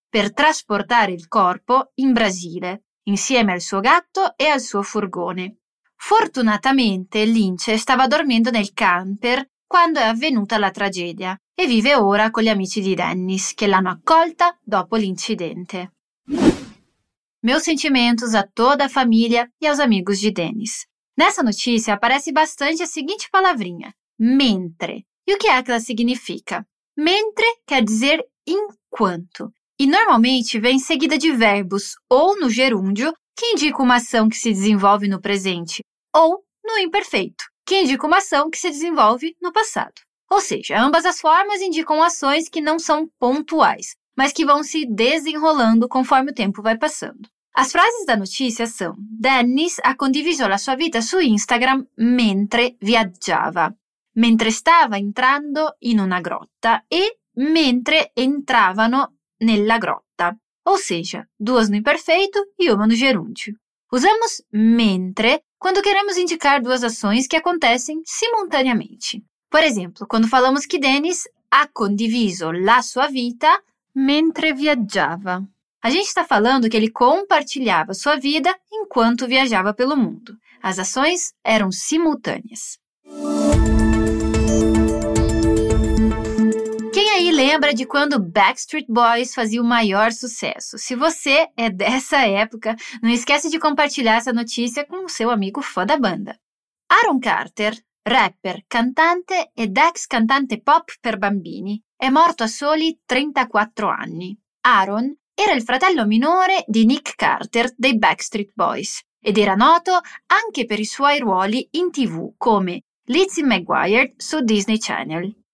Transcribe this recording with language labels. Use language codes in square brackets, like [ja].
[it] per trasportare il corpo in Brasile, insieme al suo gatto e al suo furgone. Fortunatamente Lince stava dormendo nel camper quando è avvenuta la tragedia e vive ora con gli amici di Dennis, che l'hanno accolta dopo l'incidente. [pt] Meus sentimentos a toda a família e aos amigos de Dennis. Nessa notícia aparece bastante a seguinte palavrinha, mentre. E o que é que ela significa? Mentre quer dizer enquanto. E normalmente vem seguida de verbos ou no gerúndio, que indica uma ação que se desenvolve no presente, ou no imperfeito, que indica uma ação que se desenvolve no passado. Ou seja, ambas as formas indicam ações que não são pontuais, mas que vão se desenrolando conforme o tempo vai passando. As frases da notícia são: [it] Dennis ha condiviso la sua vita su Instagram mentre viaggiava, mentre stava entrando in una grotta e mentre entravano nella grotta. [pt] Ou seja, duas no imperfeito e uma no gerúndio. Usamos mentre quando queremos indicar duas ações que acontecem simultaneamente. Por exemplo, quando falamos que [it] Dennis ha condiviso la sua vita mentre viaggiava. [pt] A gente está falando que ele compartilhava sua vida enquanto viajava pelo mundo. As ações eram simultâneas. Quem aí lembra de quando Backstreet Boys fazia o maior sucesso? Se você é dessa época, não esquece de compartilhar essa notícia com o seu amigo fã da banda. [it] Aaron Carter, rapper, cantante ed ex cantante pop per bambini, è morto a soli 34 anni. Aaron era il fratello minore di Nick Carter dei Backstreet Boys ed era noto anche per i suoi ruoli in TV come Lizzie McGuire su Disney Channel.